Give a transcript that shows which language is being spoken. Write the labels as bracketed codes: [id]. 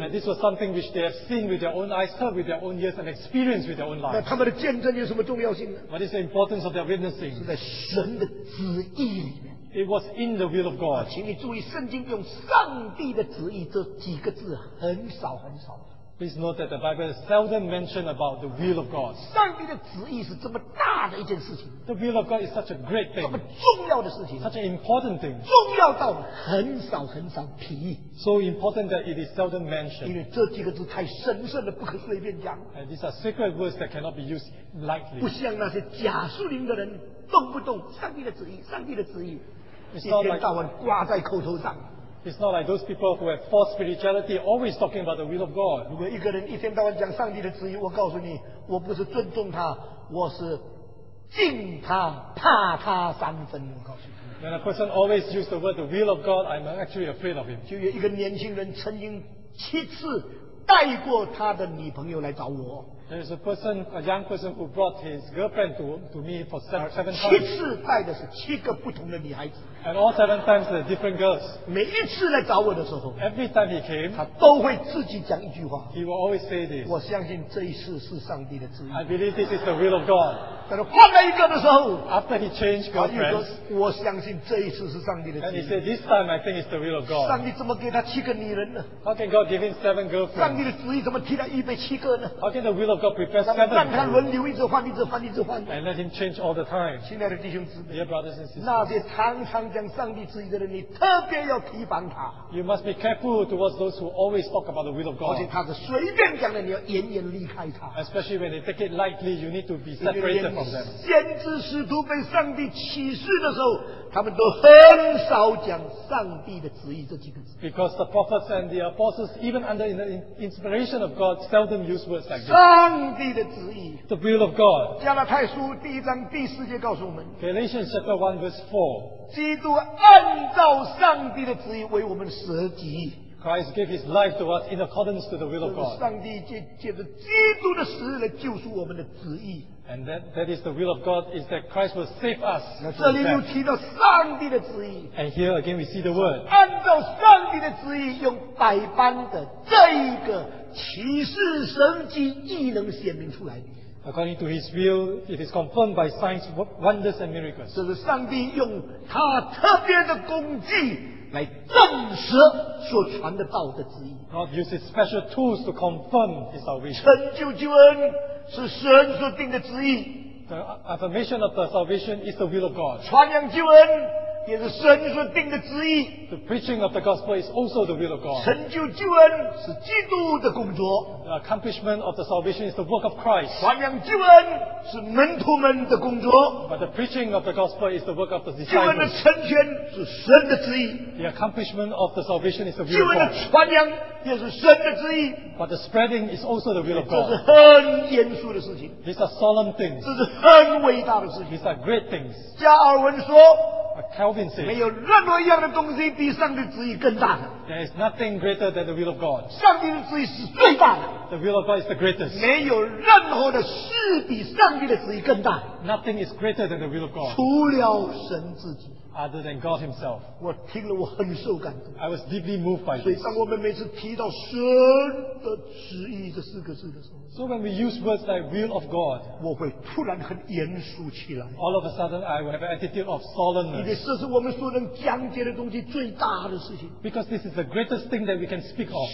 [en] And this was something which they have seen with their own eyes, heard with their own ears, and experienced with their own lives. [zh] 那他们的见证有什么重要性呢？ [en] What is the importance of their witnessing? [zh] 是在神的旨意里面。 [en] It was in the will of God. [zh] 请你注意，圣经用“上帝的旨意”这几个字很少很少。 [en] Please note that the Bible is seldom mentioned about the will of God. [zh] 上帝的旨意是这么大的一件事情。 [en] The will of God is such a great thing. [zh] 这么重要的事情。 [en] Such an important thing. [zh] 重要到很少很少提。 [en] So important that it is seldom mentioned. [zh] 因为这几个字太神圣了，不可随便讲。 [en] And these are sacred words that cannot be used lightly. [zh] 不像那些假属灵的人，动不动上帝的旨意，上帝的旨意，一天到晚挂在口头上。 [en] It's not like those people who have false spirituality always talking about the will of God. [zh] 如果一个人一天到晚讲上帝的旨意，我告诉你，我不是尊重他，我是敬他，怕他三分。我告诉你。 [en] When a person always uses the word the will of God, I'm actually afraid of him. [zh] 就有一个年轻人曾经七次带过他的女朋友来找我。 [en] There is a person, a young person who brought his girlfriend to me for seven times. [zh] 七次带的是七个不同的女孩子。 [en] And all seven times the different girls. [zh] 每一次来找我的时候 [en] ，Every time he came, [zh] 他都会自己讲一句话。 [en] He will always say this. [zh] 我相信这一次是上帝的旨意。 [en] I believe this is the will of God. [zh] 但是换了一个的时候 [en] ，After he changed girlfriends, [zh] 我相信这一次是上帝的旨意。 [en] And he said, this time I think it's the will of God. [zh] 上帝怎么给他七个女人呢 [en] ？How can God give him seven girlfriends? [zh] 上帝的旨意怎么替他预备七个呢 [en] ？How can the will of God prepare seven? [zh] 让他轮流一直换，一直换，一直换。 [en] And let him change all the time. [zh] 亲爱的弟兄姊妹 [en] ，Dear brothers and sisters, [zh] 那些常常讲上帝旨意的人，你特别要提防他。 [en] You must be careful towards those who always talk about the will of God。 [zh] 而且他是随便讲的，你要远远离开他。 [en] Especially when they take it lightly, you need to be separated from them。 [zh] 先知使徒被上帝启示的时候，他们都很少讲上帝的旨意这几个字。 [en] Because the prophets and the apostles, even under the inspiration of God, seldom use words like this。 [zh] 上帝的旨意。 [en] The will of God。 [zh] 加拉太书第一章第四节告诉我们。 [en] Galatians chapter 1 verse 4。 [zh] 基督按照上帝的旨意为我们舍己。 [en] Christ gave his life to us in accordance to the will of God. [zh] 上帝借着基督的死来救赎我们的旨意。 [en] And that is the will of God, is that Christ will save us. [zh] 这里又提到上帝的旨意。 [en] And here again we see the word. [zh] 按照上帝的旨意，用百般的这一个启示神迹异能显明出来。 [en] According to his will, it is confirmed by signs, wonders, and miracles. [zh] 这是上帝用他特别的工具来证实所传的道的旨意。 [en] God uses special tools to confirm his salvation. [zh] 成就救恩是神所定的旨意。 [en] The affirmation of the salvation is the will of God. [zh] 传扬救恩也是神所定的旨意。 [en] The preaching of the gospel is also the will of God. [zh] 成就救恩是基督的工作。 [en] The accomplishment of the salvation is the work of Christ. [zh] 传扬救恩是门徒们的工作。 [en] But the preaching of the gospel is the work of the disciples. [zh] 救恩的成全是神的旨意。 [en] The accomplishment of the salvation is the will of God. [zh] 救恩的传扬也是神的旨意。 [en] But the spreading is also the will of God. [zh] 这是很严肃的事情。 [en] These are solemn things. [zh] 这是很伟大的事情。 [en] These are great things. [zh] 加尔文说 [en] Calvin says, [zh] 没有任何一样的东西比上帝旨意更大。 [en] There is nothing greater than the will of God. [zh] 上帝的旨意是最大的。 [en] The will of God is the greatest. [zh] 没有任何的事比上帝的旨意更大。 [en] Nothing is greater than the will of God. [zh] 除了神自己。 [en] Other than God Himself. [zh] 我听了我很受感动。 [en] I was deeply moved by this. [zh] 所以当我们每次提到神的旨意这四个字的时候， [en] So when we use words like will of God, [zh] 我会突然很严肃起来。 [en] All of a sudden I will have an attitude of solemnness. [zh] 因为这是我们所能讲解的东西最大的事情。 [en] Because this is the greatest thing that we can speak of.